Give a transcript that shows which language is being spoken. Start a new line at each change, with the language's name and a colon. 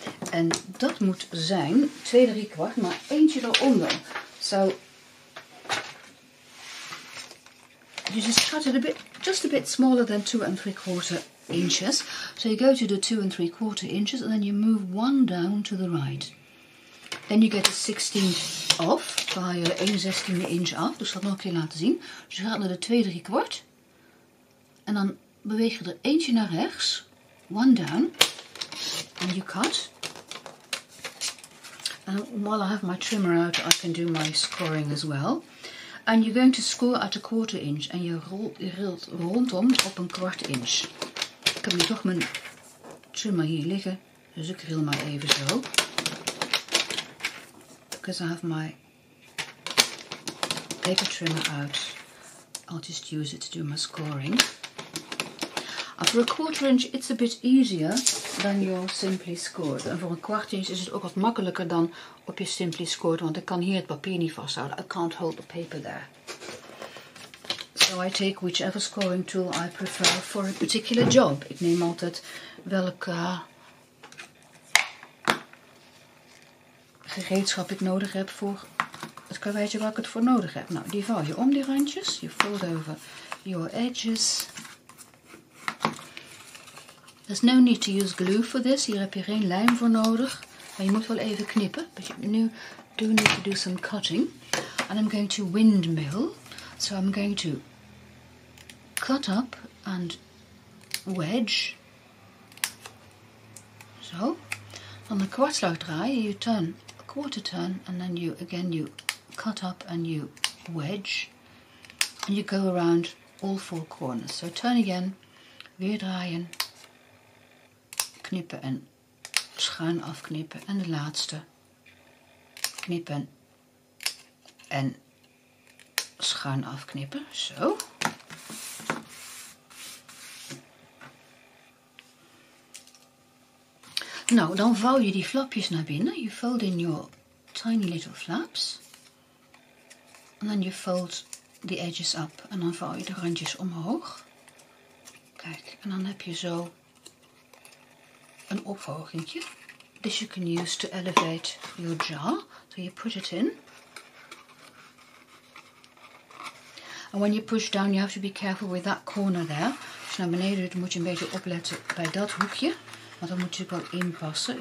Dutch: En dat moet zijn 2¾, maar eentje eronder.
English: So you just cut it a bit, just a bit smaller than 2¾ inches. So you go to the 2¾ inches and then you move one down to the right. Then you get a 16th off.
Dutch: Dan haal je 1/16 inch af. Dus dat nog een keer laten zien. Dus je gaat naar de 2¾. En dan beweeg je er eentje naar rechts.
English: One down. And you cut. And while I have my trimmer out, I can do my scoring as well. And you're going to score at 1/4 inch.
Dutch: En je rilt rondom op 1/4 inch. Ik heb nu toch mijn trimmer hier liggen. Dus ik ril maar even zo.
English: Because I have my paper trimmer out. I'll just use it to do my scoring. After 1/4 inch, it's a bit easier than your Simply Scored.
Dutch: En voor 1/4 inch is het ook wat makkelijker dan op je Simply Scored, want ik kan hier het papier niet vasthouden.
English: I can't hold the paper there. So I take whichever scoring tool I prefer for a particular job.
Dutch: Ik neem altijd welke gereedschap ik nodig heb voor het karweitje waar ik het voor nodig heb. Nou, die vouw je om die randjes.
English: You fold over your edges. There's no need to use glue for this.
Dutch: Hier heb je geen lijm voor nodig. Maar je moet wel even knippen. Nu
English: do need to do some cutting, and I'm going to windmill. So I'm going to cut up and wedge. So, on the kwartslagdraai, you turn a quarter turn, and then you again you cut up and you wedge, and you go around all four corners. So turn again,
Dutch: weer draaien, knippen en schuin afknippen, en de laatste knippen en schuin afknippen. Zo. Nou, dan vouw je die flapjes naar binnen.
English: You fold in your tiny little flaps. And then you fold the edges up.
Dutch: En dan vouw je de randjes omhoog. Kijk, en dan heb je zo een opvolgingetje.
English: This you can use to elevate your jar. So you put it in. And when you push down, you have to be careful with that corner there.
Dutch: Als je naar beneden doet, moet je een beetje opletten bij dat hoekje. Maar dan moet je het wel inpassen.